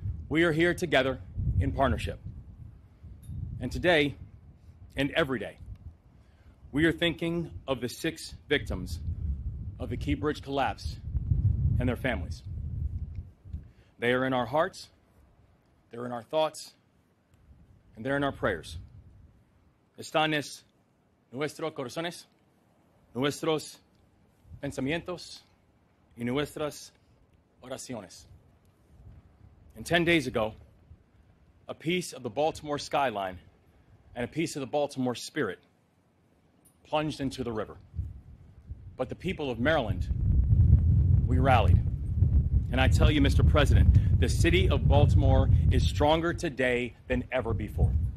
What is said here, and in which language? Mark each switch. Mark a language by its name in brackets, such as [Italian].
[English] We are here together in partnership. And today, and every day, we are thinking of the six victims of the Key Bridge collapse and their families. They are in our hearts, they're in our thoughts, and they're in our prayers. [Spanish] Están en nuestros corazones, nuestros pensamientos, y nuestras oraciones. [English] And 10 days ago, a piece of the Baltimore skyline and a piece of the Baltimore spirit plunged into the river. But the people of Maryland, we rallied. And I tell you, Mr. President, the city of Baltimore is stronger today than ever before.